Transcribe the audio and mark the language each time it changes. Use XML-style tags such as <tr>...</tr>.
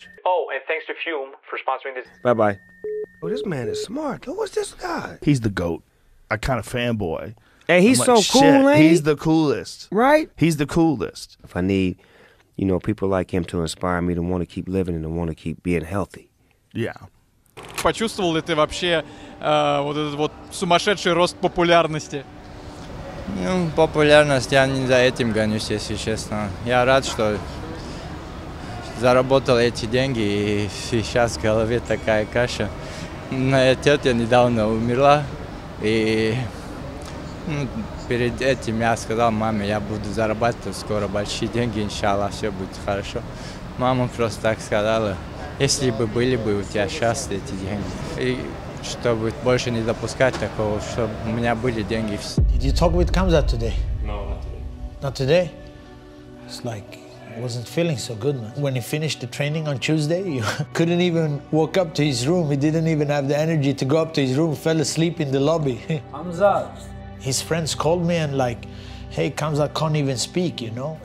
<en>Oh, and thanks to Fume for sponsoring this. Bye-bye. Oh, this man is smart. Who is this guy? He's the GOAT. A kind of fanboy. And he's like, so cool, ain't he? He's the coolest. Right? He's the coolest. If I need, you know, people like him to inspire me to want to keep living and to want to keep being healthy. Yeah.</en> <ru>Почувствовал ли ты вообще вот этот вот сумасшедший рост популярности? Ну, популярность я не за этим гонюсь, если честно. Я рад, что заработал эти деньги, и сейчас в голове такая каша. Моя тетя недавно умерла. И ну, перед этим я сказал маме, я буду зарабатывать скоро большие деньги, иншаллах, все будет хорошо. Мама просто так сказала, если бы были бы у тебя сейчас эти деньги. И чтобы больше не допускать такого, чтобы у меня были деньги.</ru> <en>Did you talk with Khamzat today? No, not today. Not today? It's like, I wasn't feeling so good, man. When he finished the training on Tuesday, he couldn't even walk up to his room. He didn't even have the energy to go up to his room. He fell asleep in the lobby. Khamzat. His friends called me and like, hey, Khamzat can't even speak, you know?</en>